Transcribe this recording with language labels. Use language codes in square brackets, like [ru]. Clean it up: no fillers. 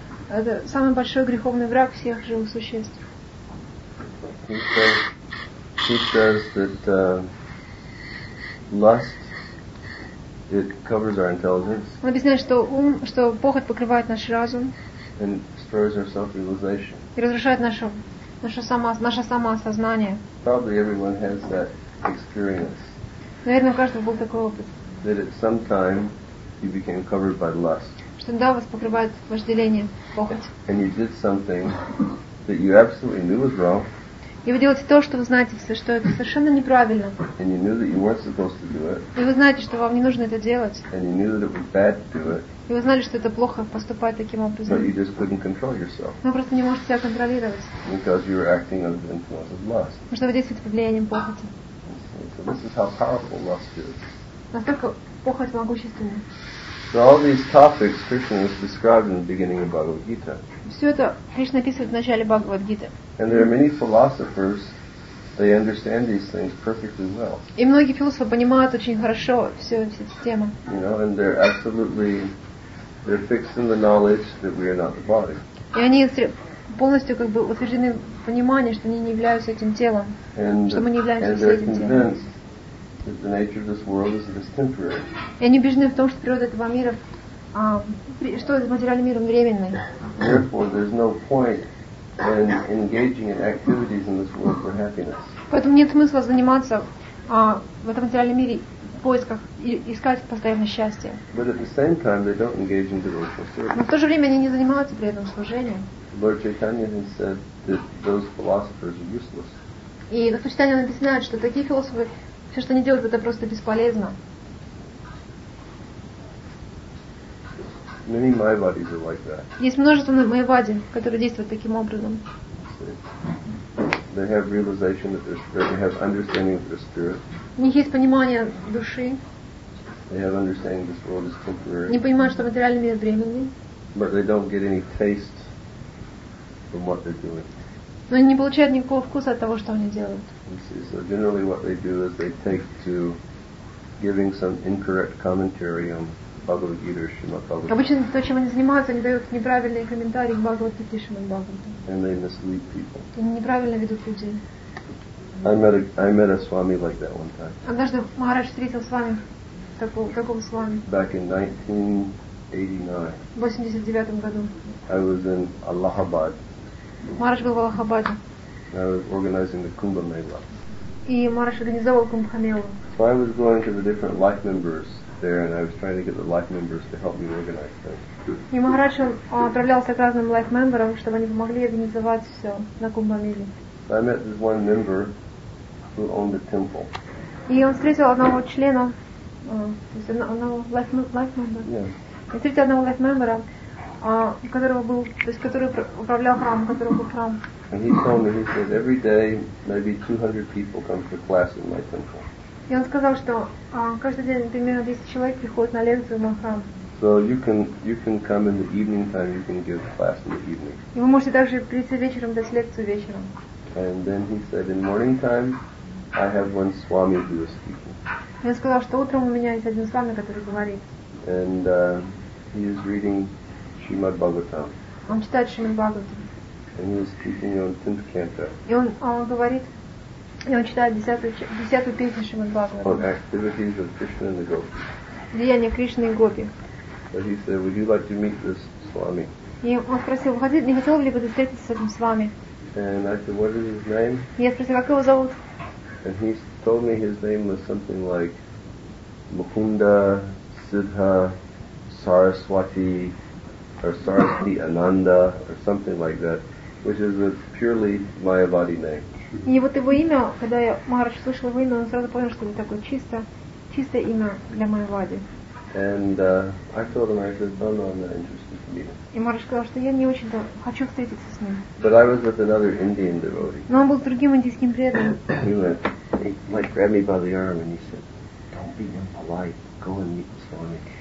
[ru] Это самый большой греховный враг всех живых существ. [en] He says that lust it covers our intelligence. [ru] Он объясняет, что ум, что похоть покрывает наш разум. [en] And destroys our self-realization. [ru] И разрушает наше самоосознание. [en] Probably everyone has that experience. [ru] Наверное, у каждого был такой опыт. [en] That at some time you became covered by lust. [ru] Что да, вас покрывает вожделение, похоть. [en] And you did something that you absolutely knew was wrong. [ru] И вы делаете то, что вы знаете, что это совершенно неправильно. [en] And you knew that you weren't supposed to do it. [ru] И вы знаете, что вам не нужно это делать. [en] And you knew that it was bad to do it. [ru] И вы знали, что это плохо поступать таким образом. [en] But you just couldn't control yourself. [ru] Вы просто не можете себя контролировать. [en] Because you were acting under the influence of lust. [ru] Потому что вы действуете под влиянием похоти. [en] So this is how powerful lust is. [ru] Настолько похоть могущественна. [en] So all these topics Krishna has described in the beginning of Bhagavad Gita. [ru] Все это Кришна описывает в начале Бхагавад Гиты. [en] And there are many philosophers, they understand these things perfectly well. [ru] И многие философы понимают очень хорошо всю эту тему. [en] You know, and they're absolutely, they're fixed in the knowledge that we are not the body. [ru] И они полностью как бы утверждены в понимании, что они не являются этим телом, что мы не являемся этим телом. [en] That the nature of this world is just temporary. [ru] И они убеждены в том, что природа этого мира, что этот материальный мир, он временный. [en] Therefore, there's no point in engaging in activities in this world for happiness. [ru] Поэтому нет смысла заниматься в этом материальном мире в поисках и искать постоянное счастье. [en] But at the same time, they don't engage in devotional service. [ru] Но в то же время они не занимаются при этом служением. [en] Lord Chaitanya said that those philosophers are useless. [ru] И в Читании он объясняет, что такие философы все, что они делают, это просто бесполезно. [en] Many Майявадис are like that. [ru] Есть множество Майявади, которые действуют таким образом. [en] They have realization that they're spirit. They have understanding of their spirit. [ru] У них есть понимание души. [en] They have understanding this world is temporary. [ru] Они понимают, что материальный мир временный. [en] But they don't get any taste from what they're doing. [ru] Но они не получают никакого вкуса от того, что они делают. [en] So generally what they do is they take to giving some incorrect commentary on Bhagavad Gita or Shrimad Bhagavatam. [ru] Обычно то, чем они занимаются, они дают неправильные комментарии к Бхагавад Гите и Шримад Бхагаватам. [en] And they mislead people. [ru] И неправильно ведут людей. [en] I met a Swami like that one time. [ru] Однажды Махарадж встретил с вами такого Свами. [en] Back in 1989. [ru] В 89 году. [en] I was in Allahabad. [ru] Махарадж был в Аллахабаде. [en] I was organizing the Kumbh Mela. [ru] И Махарадж организовал Кумбх Мелу. [en] So I was going to the different life members there, and I was trying to get the life members to help me organize things. [ru] И Махарадж отправлялся к разным life members, чтобы они помогли организовать все на Кумбх Меле. [en] So I met this one member who owned the temple. [ru] И он встретил одного члена, то есть одного life member. [en] Yeah. [ru] И встретил одного life member. Которого был, то есть который управлял храмом, который был храм. [en] And he told me, he said, every day maybe 200 people come for class in my temple. [ru] И он сказал, что каждый день примерно 10 человек приходят на лекцию в мой храм. [en] So you can come in the evening time, you can give class in the evening. [ru] И вы можете также прийти вечером, дать лекцию вечером. [en] And then he said, in morning time, I have one Swami who is speaking. [ru] И он сказал, что утром у меня есть один Свами, который говорит. [en] And he is reading Shrimad Bhagavatam. [ru] Он читает Шримад Бхагаватам. [en] And he was speaking on 10th canto. [ru] И он говорит, и он читает 10-ю песню Шримад Бхагаватам. [en] On activities of Krishna and the Gopis. [ru] Деяния Кришны и Гопи. [en] So he said, would you like to meet this Swami? [ru] И он спросил, не хотел ли бы встретиться с этим Свами? [en] And I said, what is his name? [ru] И я спросил, как его зовут? [en] And he told me his name was something like Mukunda Siddha Saraswati or Saraswati Ananda or something like that, which is a purely Mayavadi name. [ru] И вот его имя, когда я Махарадж слышал его имя, он сразу понял, что это такое чистое имя для Майявади. [en] And I told him, I said, no, no, I'm not interested to meet him. [ru] И Махарадж сказал, что я не очень-то хочу встретиться с ним. [en] But I was with another Indian devotee. [ru] Но он был с другим индийским преданным. [en] He went, he like grabbed me by the arm and he said, don't be impolite, go and meet the Swami.